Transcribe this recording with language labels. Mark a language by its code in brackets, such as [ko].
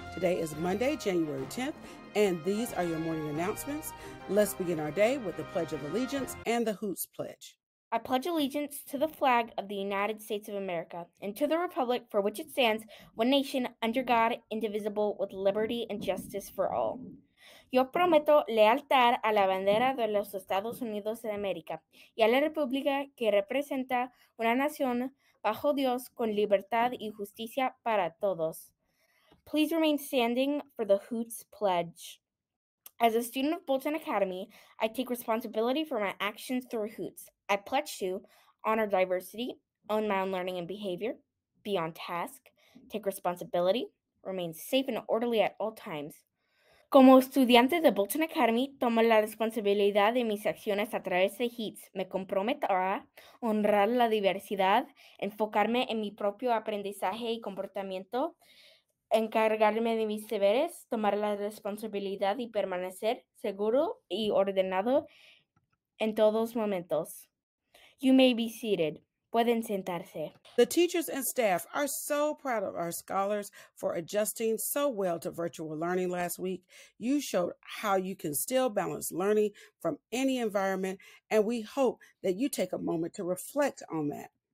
[en] Today is Monday, January 10th, and these are your morning announcements. Let's begin our day with the Pledge of Allegiance and the Hoots Pledge. I pledge allegiance to the flag of the United States of America and to the Republic for which it stands, one nation, under God, indivisible, with liberty and justice for all. [es] Yo prometo lealtad a la bandera de los Estados Unidos de América y a la República que representa una nación bajo Dios con libertad y justicia para todos. [en] Please remain standing for the Hoots Pledge. As a student of Bolton Academy, I take responsibility for my actions through Hoots. I pledge to honor diversity, own my own learning and behavior, be on task, take responsibility, remain safe and orderly at all times. [es] Como estudiante de Bolton Academy, tomo la responsabilidad de mis acciones a través de HEATS. Me comprometo a honrar la diversidad, enfocarme en mi propio aprendizaje y comportamiento, encargarme de mis deberes, tomar la responsabilidad y permanecer seguro y ordenado en todos momentos. [en] You may be seated. [es] Pueden sentarse. [en] The teachers and staff are so proud of our scholars for adjusting so well to virtual learning last week. You showed how you can still balance learning from any environment, and we hope that you take a moment to reflect on that.